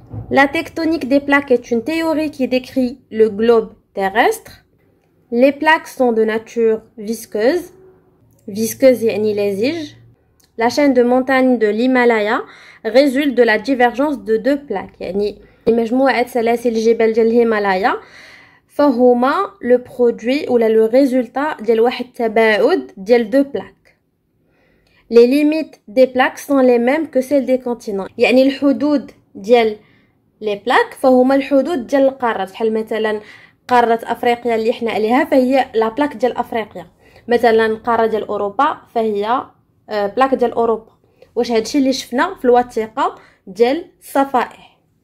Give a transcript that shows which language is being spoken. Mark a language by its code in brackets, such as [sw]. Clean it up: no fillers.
[fr] La tectonique des plaques est une théorie qui décrit le globe terrestre. Les plaques sont de nature visqueuse. Visqueuse et anilésige. La chaîne de montagnes de l'Himalaya résulte de la divergence de deux plaques. [ar] يعني المجموعة الثلاثي الجبال ديال الهيمالايا فهما [fr] le produit ou le résultat [ar] ديال واحد التباعد ديال [fr] deux plaques. Les limites des plaques sont les mêmes que celles des continents. [ar] يعني الحدود ديال les plaques فهما الحدود ديال القارات. بحال مثلا قارة أفريقيا اللي إحنا عليها فهي la plaque ديال أفريقيا. مثلا قارة ديال أوروبا فهي بلاك ديال اوروبا. واش هادشي اللي شفنا في الوثيقه ديال الصفائح.